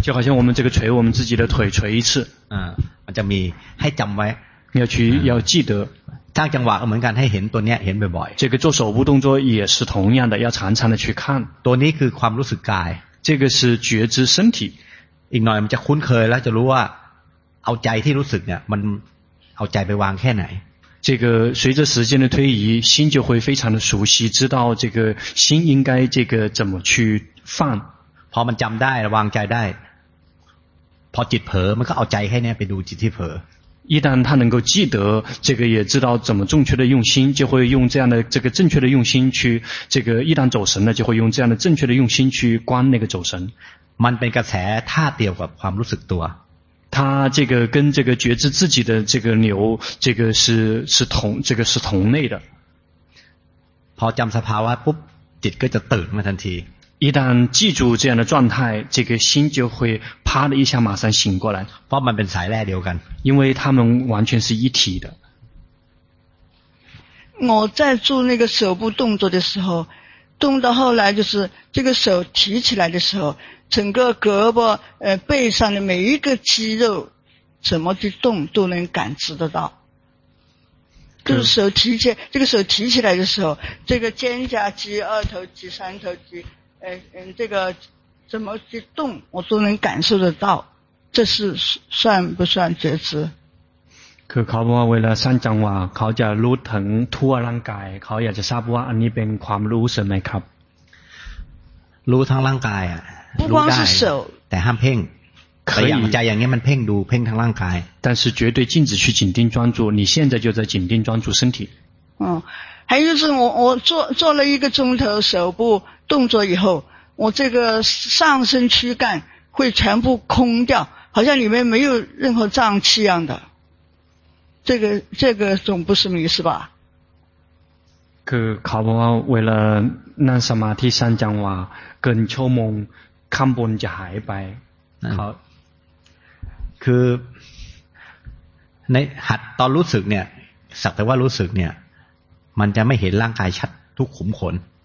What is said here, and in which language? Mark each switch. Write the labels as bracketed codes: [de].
[zh] 就好像我们这个捶我们自己的腿捶一次 [th] มันจะมีให้จำไว้ [zh] 要记得 [th] สร้างจังหวะเหมือนกันให้เห็นตัวเนี้ยเห็นบ่อย [zh] ๆ这个做手部动作也是同样的要常常的去看 [th] ตัวนี้คือความรู้สึกกาย [zh] 这个是觉知身体 [th] อีกหน่อยมันจะคุ้นเคยแล้วจะรู้ว่าเอาใจที่รู้สึกเนี่ยมันเอาใจไปวางแค่ไหน [zh] 这个随着时间的推移心就会非常的熟悉知道这个心应该这个怎么去放 [th] พอมันจำได้ระวางใจได้พอจิตเผลอมันก็เอาใจให้เนี่ยไปดูจิตที่เผล [zh] อ一旦他能够记得这个也知道怎么正确的用心就会用这样的这个正确的用心去这个一旦走神了就会用这样的正确的用心去观那个走神 [th] มันเป็นกระแสท่าเดียวกับความรู้สึกตัว [zh] 他这个跟这个觉知自己的这个流这个是同这个是同类的 [th] พอจำสภาวะปุ๊บจิตก็จะตื่นมาทันที [zh] 一旦记住这样的状态这个心就会啪的一下马上醒过来 [th] เพราะมันเป็นสายแรกเดียวกัน [zh] 因为他们完全是一体的我在做那个手部动作的时候动到后来就是这个手提起来的时候整个胳膊背上的每一个肌肉怎么去动都能感知得到就是手提起这个手提起来的时候这个肩胛肌二头肌三头肌这个怎么去动我都能感受得到这是算不算觉知 [th] คือเขาบอกว่าเวลาสร้างจังหวะเขาจะรู้ถึงทั่วร่างกายเขาอยากจะทราบว่าอันนี้เป็นความรู้สึกไหมครับ รู้ทั้งร่างกาย รู้ได้แต่ห้ามเพ่งแต่อย่างใจอย่างนี้มันเพ่งดูเพ่งทั้งร่างกาย [zh] 但是绝对禁止去紧盯专注你现在就在紧盯专注身体还有就是我做了一个钟头手部动作以后我这个上身躯干会全部空掉好像里面没有任何脏器一样的这个总不是迷是吧 [th] คือเขาบอกว่าเวลานั่งสมาธิสร้างจังหวะเกินชั่วโมงข้างบนจะหายไป คือในหัดตอนรู้สึกเนี่ยสักแต่ว่ารู้สึกเนี่ยมันจะไม่เห็นร่างกายชัดทุกขุมขน